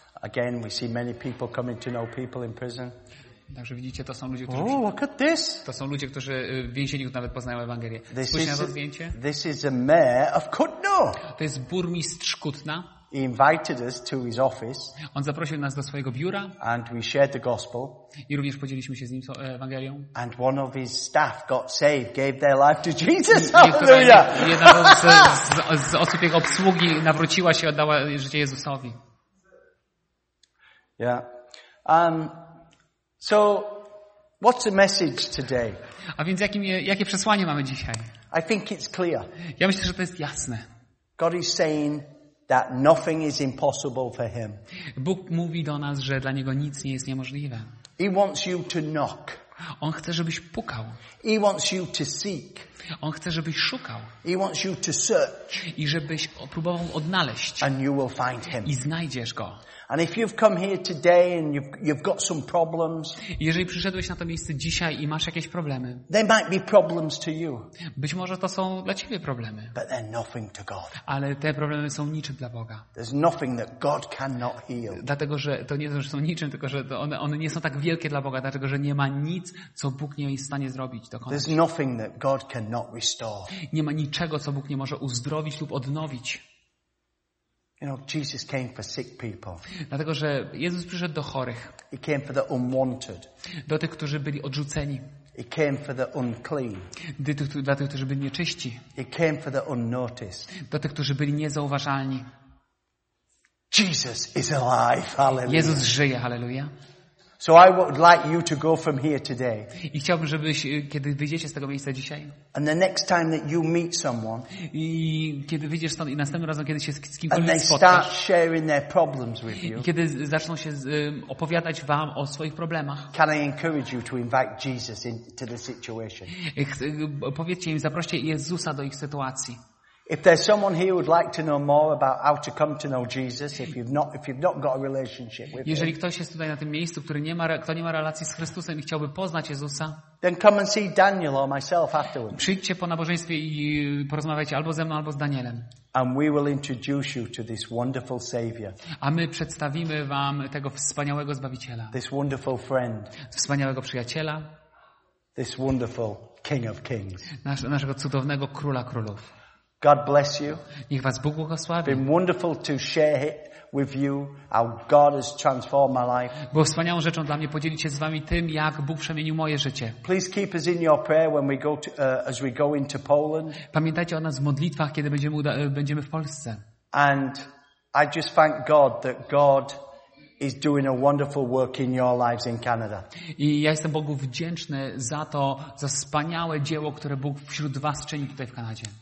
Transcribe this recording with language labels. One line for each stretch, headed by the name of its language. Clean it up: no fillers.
English: Again, we see many people coming to know people in prison.
Polish: Także widzicie, to są ludzie, którzy
English: look at this.
Polish: To są ludzie, którzy w więzieniu nawet poznają Ewangelię. Spójrzcie na to zdjęcie.
English: This is a mayor of Kutno.
Polish: To jest burmistrz Kutna.
English: He invited us to his office.
Polish: On zaprosił nas do swojego biura.
English: And we shared the gospel.
Polish: I również podzieliliśmy się z nim Ewangelią.
English: And one of his staff got saved, gave their life to Jesus. Hallelujah.
Polish: Jedna z osób jego obsługi nawróciła się, oddała życie Jezusowi. Yeah.
English: So what's the message today?
Polish: A więc jakie przesłanie mamy dzisiaj?
English: I think it's clear.
Polish: Ja myślę, że to jest jasne.
English: God is saying that nothing is impossible for him.
Polish: Bóg mówi do nas, że dla niego nic nie jest niemożliwe.
English: He wants you to knock.
Polish: On chce, żebyś pukał.
English: He wants you to seek.
Polish: On chce, żebyś szukał.
English: He wants you to search.
Polish: I żebyś próbował odnaleźć.
English: And you will find him.
Polish: I znajdziesz go.
English: And if you've come here today and you've got some problems.
Polish: Jeżeli przyszedłeś na to miejsce dzisiaj i masz jakieś problemy.
English: They might be problems to you.
Polish: Być może to są dla ciebie problemy.
English: But they're nothing to God.
Polish: Ale te problemy są niczym dla Boga.
English: There's nothing that God cannot heal.
Polish: Dlatego, że to nie są niczym, tylko że one nie są tak wielkie dla Boga, dlatego że nie ma nic, co Bóg nie jest w stanie zrobić, dokonać.
English: There's nothing that God cannot restore.
Polish: Nie ma niczego, co Bóg nie może uzdrowić lub odnowić.
English: You know, Jesus came for sick people.
Polish: Dlatego, że Jezus przyszedł do chorych.
English: He came for the unwanted.
Polish: Do tych, którzy byli odrzuceni.
English: He came for the unclean.
Polish: Dla tych, którzy byli nieczyści.
English: He came for the unnoticed.
Polish: Do tych, którzy byli niezauważalni.
English: Jesus is alive. Hallelujah.
Polish: Jezus żyje. Hallelujah.
English: So I would like you to go from here today.
Polish: I chciałbym, żebyś, kiedy wyjdziecie z tego miejsca dzisiaj.
English: And the next time that you meet someone.
Polish: I kiedy wyjdziesz stąd i następnym razem, kiedy się z kimś spotkasz.
English: And they start sharing their problems with you.
Polish: I kiedy zaczną się opowiadać wam o swoich problemach.
English: Can I encourage you to invite Jesus into the situation?
Polish: Powiedzcie im, zaproście Jezusa do ich sytuacji.
English: If there's someone here who would like to know more about how to come to know Jesus, if you've not got a relationship with him.
Polish: Jeżeli ktoś jest tutaj na tym miejscu, kto nie ma relacji z Chrystusem i chciałby poznać Jezusa,
English: then come and see Daniel or myself afterwards.
Polish: Przyjdźcie po nabożeństwie i porozmawiajcie albo ze mną, albo z Danielem.
English: And we will introduce you to this wonderful Savior.
Polish: A my przedstawimy wam tego wspaniałego Zbawiciela.
English: This wonderful friend.
Polish: Wspaniałego przyjaciela.
English: This wonderful King of Kings.
Polish: Naszego cudownego Króla Królów.
English: God bless you.
Polish: Niech was Bóg błogosławi.
English: It's been wonderful to share it with you how God has transformed my life.
Polish: Było wspaniałą rzeczą dla mnie podzielić się z wami tym, jak Bóg przemienił moje życie.
English: Please keep us in your prayer when we go to, as we go into Poland.
Polish: Pamiętajcie o nas w modlitwach, kiedy będziemy w Polsce.
English: And I just thank God that God is doing a wonderful work in your lives in Canada.
Polish: I ja jestem Bogu wdzięczny za to, za wspaniałe dzieło, które Bóg wśród was czyni tutaj w Kanadzie.